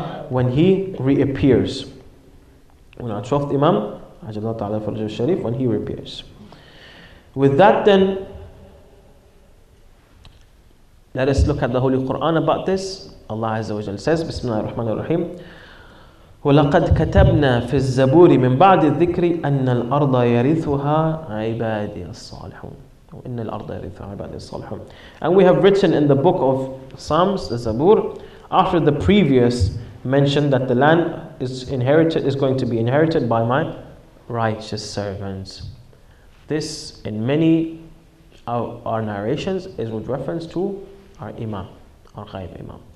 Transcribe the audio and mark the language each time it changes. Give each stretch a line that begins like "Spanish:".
English: When he reappears. When our 12th Imam, Ajallahu Ta'ala Farajahu Sharif, when he reappears. With that then, let us look at the Holy Quran about this.
Arabic: Allah Azza wa Jal says, Bismillah ar-Rahman ar-Rahim, وَلَقَدْ كَتَبْنَا فِي الزَّبُورِ مِنْ بَعْدِ الذِّكْرِ أَنَّ الْأَرْضَ يَرِثُهَا عِبَادِي الصَّالِحُونَ وَإِنَّ الْأَرْضَ يَرِثُهَا عِبَادِي الصَّالِحُونَ.
English: And we have written in the book of Psalms, the Zabur, after the previous mentioned that the land is going to be inherited by my righteous servants. This in many of our narrations is with reference to our Imam, our Ghaib Imam.